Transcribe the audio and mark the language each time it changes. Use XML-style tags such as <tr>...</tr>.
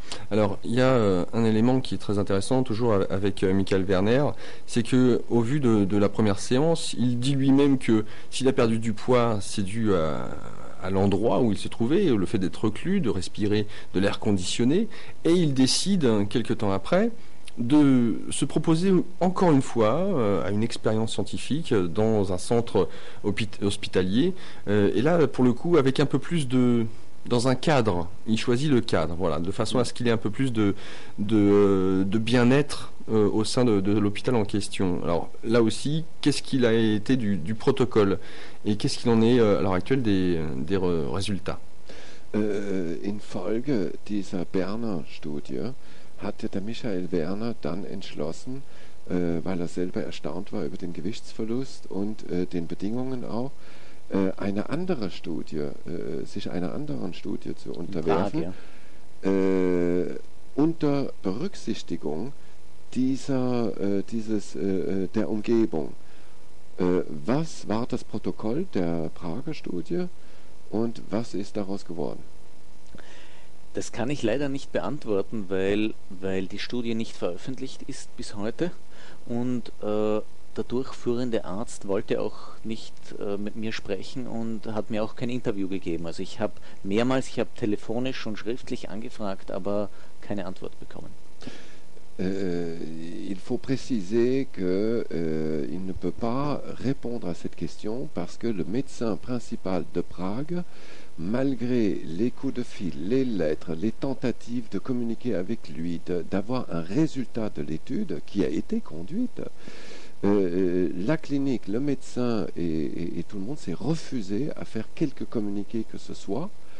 <fr>Alors, il y a un élément qui est très intéressant, toujours avec Michael Werner, c'est que au vu de la première séance, il dit lui-même que s'il a perdu du poids, c'est dû à l'endroit où il se trouvait, le fait d'être reclus, de respirer de l'air conditionné, et il décide, quelques temps après, de se proposer encore une fois à une expérience scientifique dans un centre hospitalier, et là, pour le coup, avec un peu plus de... dans un cadre, il choisit le cadre, voilà, de façon à ce qu'il ait un peu plus de bien-être au sein de l'hôpital en question. Alors là aussi, qu'est-ce qu'il a été du protocole et qu'est-ce qu'il en est à l'heure actuelle des résultats?</fr> <de>Une folge dieser Berner-Studie hatte der Michael Werner dann entschlossen, weil selber erstaunt war über den Gewichtsverlust und den Bedingungen auch, eine andere Studie, sich einer anderen Studie zu unterwerfen, unter Berücksichtigung der Umgebung. Was war das Protokoll der Prager Studie und was ist daraus geworden? Das kann ich leider nicht beantworten, weil die Studie nicht veröffentlicht ist bis heute und der durchführende Arzt wollte auch nicht mit mir sprechen und hat mir auch kein Interview gegeben. Also ich habe telefonisch und schriftlich angefragt, aber keine Antwort bekommen.</de> <fr>Il faut préciser que il ne peut pas répondre à cette question parce que le médecin principal de Prague, malgré les coups de fil, les lettres, les tentatives de communiquer avec lui, d'avoir un résultat de l'étude qui a été conduite, la clinique, le médecin et tout le monde s'est refusé à faire quelques communiqués que ce soit.</fr>